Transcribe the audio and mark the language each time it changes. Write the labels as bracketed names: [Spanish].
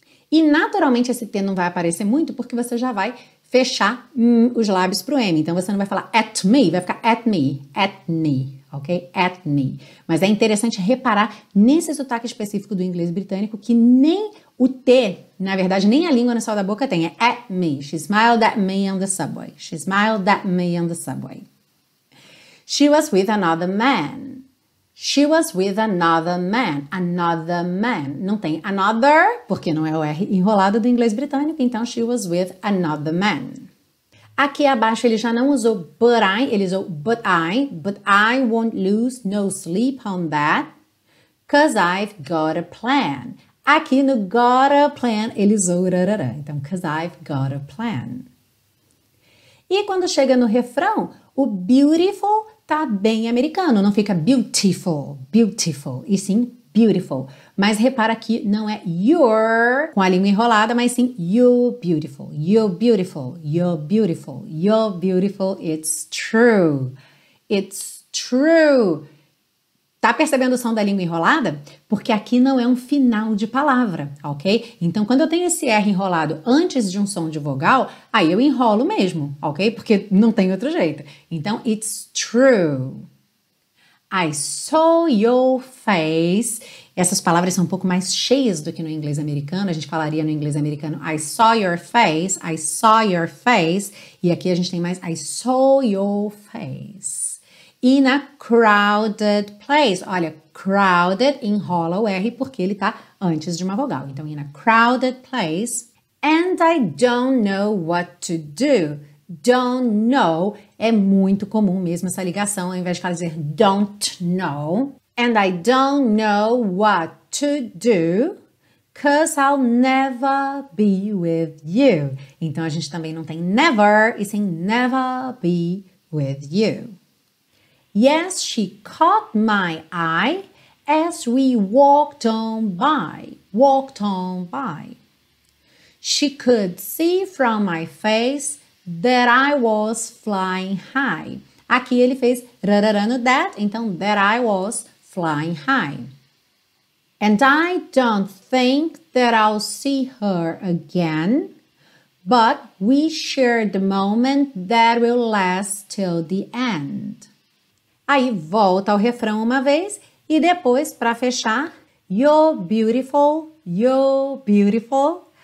[Portuguese] E naturalmente esse T não vai aparecer muito porque você já vai fechar os lábios pro M. Então você não vai falar [English] at me, [Portuguese] vai ficar at me, ok? At me. Mas é interessante reparar nesse sotaque específico do inglês britânico que nem o T, na verdade, nem a língua no céu da boca tem. É [English] at me. She smiled at me on the subway. She smiled at me on the subway. She was with another man. She was with another man. Another man. [Portuguese] Não tem another, porque não é o R enrolado do inglês britânico. Então, [English] she was with another man. [Portuguese] Aqui abaixo ele já não usou [English] but I, ele usou but I won't lose no sleep on that, 'cause I've got a plan. [Portuguese] Aqui no [English] got a plan ele usou rarara, então 'cause I've got a plan. [Portuguese] E quando chega no refrão, o beautiful tá bem americano, não fica beautiful, beautiful, e sim beautiful. Mas repara que não é your com a língua enrolada, mas sim [English] you're beautiful, you're beautiful, you're beautiful, you're beautiful, it's true, it's true. [Portuguese] Tá percebendo o som da língua enrolada? Porque aqui não é um final de palavra, ok? Então, quando eu tenho esse R enrolado antes de um som de vogal, aí eu enrolo mesmo, ok? Porque não tem outro jeito. Então, [English] it's true. I saw your face. [Portuguese] Essas palavras são um pouco mais cheias do que no inglês americano. A gente falaria no inglês americano I saw your face, I saw your face. E aqui a gente tem mais [English] I saw your face. In a crowded place. [Portuguese] Olha, crowded enrola o R porque ele tá antes de uma vogal. [English] Então, in a crowded place. And I don't know what to do. Don't know, [Portuguese] é muito comum mesmo essa ligação, ao invés de fazer don't know. [English] And I don't know what to do, 'cause I'll never be with you. [Portuguese] Então a gente também não tem never, e sim [English] never be with you. Yes, she caught my eye as we walked on by, walked on by. She could see from my face that I was flying high. [Portuguese] Aqui ele fez rarara no that, então [English] that I was flying high. And I don't think that I'll see her again, but we shared the moment that will last till the end. [Portuguese] Aí volta ao refrão uma vez e depois para fechar, [English] you're beautiful, you're beautiful.